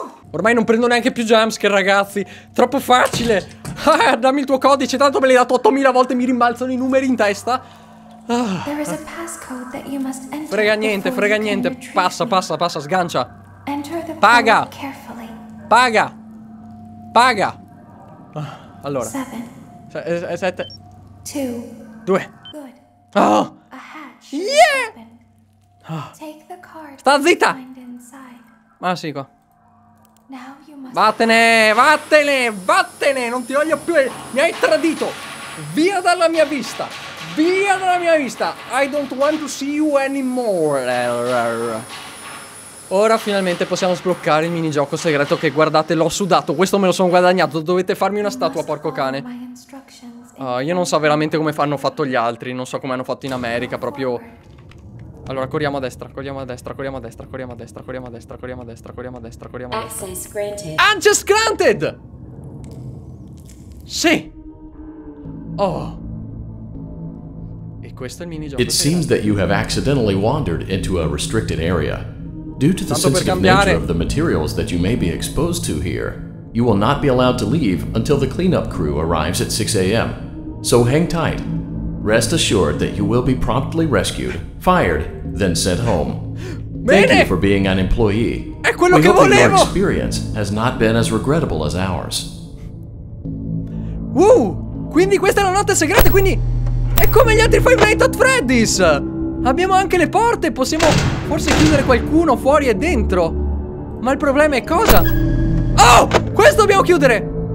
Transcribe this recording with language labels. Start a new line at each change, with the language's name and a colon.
Italian: Ormai non prendo neanche più jumpscare, ragazzi. Troppo facile. Dammi il tuo codice, tanto me l'hai dato 8000 volte e mi rimbalzano i numeri in testa.
English: There is a passcode that you must enter.
Italian: Frega niente, frega niente. Passa, passa, passa, sgancia. Paga. Paga. Paga. Allora. 7. 2. Oh.
English: Yeah.
Italian: Oh. Sta zitta. Ma sì, qua. Vattene, vattene, vattene. Non ti voglio più. Mi hai tradito. Via dalla mia vista. Via dalla mia vista.
English: I don't want to see you anymore.
Italian: Ora finalmente possiamo sbloccare il minigioco segreto che, guardate, l'ho sudato. Questo me lo sono guadagnato. Dovete farmi una statua, porco cane. Io non so veramente come hanno fatto gli altri. Non so come hanno fatto in America, proprio. Allora, corriamo a destra, corriamo a destra, corriamo a destra, corriamo a destra, corriamo a destra, corriamo a destra, corriamo a destra, corriamo a destra.
English: Access granted. Access granted!
Italian: Sì! Oh! E questo è il minigioco.
English: It seems that you have accidentally wandered into a restricted area. Due to the sensitive nature of the materials that you may be exposed to here, you will not be allowed to leave until the cleanup crew arrives at 6 a.m. So hang tight. Rest assured that you will be promptly rescued, fired, then sent home.
Italian: Bene.
English: Thank you for being an employee.
Italian: È quello
English: we
Italian: che
English: hope
Italian: volevo.
English: That your experience has not been as regrettable as ours. Woo!
Italian: Quindi questa è la notte segreta, quindi è come gli altri Five Nights at Freddy's. Abbiamo anche le porte, possiamo forse chiudere qualcuno fuori e dentro. Ma il problema è cosa? Oh! Questo dobbiamo chiudere!